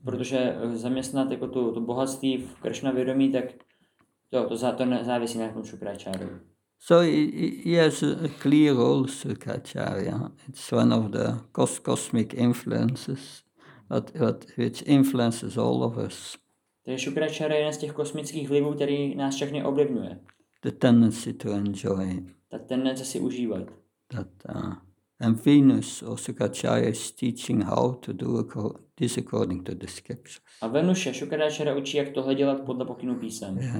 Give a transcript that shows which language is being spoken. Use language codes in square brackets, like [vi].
[cs] Protože zaměstnat jako to bohatství v Krishna vědomí, tak to závisí na tom Shukracharyi. [en] So yes, a clear role Shukracharya. It's one of the cosmic influences that which influences all of us. [cs] Takže Shukracharya je jeden z těch kosmických vlivů, který nás všechny ovlivňuje. [en] The tendency to enjoy. [cs] Ta tendence si užívat. [en] That and Venus or Shukracharya is teaching how to do this according to the scriptures. [cs] A Venuše Shukracharya učí, jak tohle dělat podle pokynů písem.